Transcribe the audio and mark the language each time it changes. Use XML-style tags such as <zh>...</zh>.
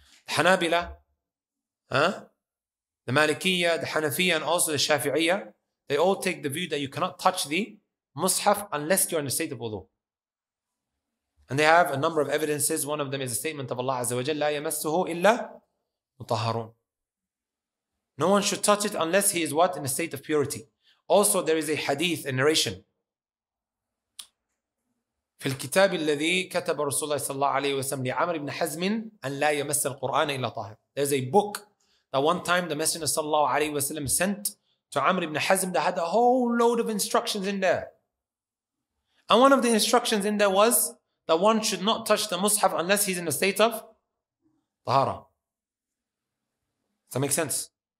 <en>Hanabila, the Malikiyya, the Hanafiyya, and also the Shafi'iyya, they all take the view that you cannot touch the Mus'haf unless you're in a state of wudu. And they have a number of evidences. One of them is a statement of Allah Azza wa Jalla,</en> <ar>لا يمسه إلا مطهرون.</ar> <en>No one should touch it unless he is what? In a state of purity. Also, there is a hadith, a narration.</en> <ar>في الكتاب الذي كتب رسول الله صلى الله عليه وسلم لعمر بن حزم أن لا يمس القرآن إلا طاهر.</ar> <en>There's a book. At one time, the Messenger sallallahu alayhi wa sallam sent to Amr ibn Hazm that had a whole load of instructions in there. And one of the instructions in there was that one should not touch the Mus'haf unless he's in a state of tahara. Does that make sense?</en>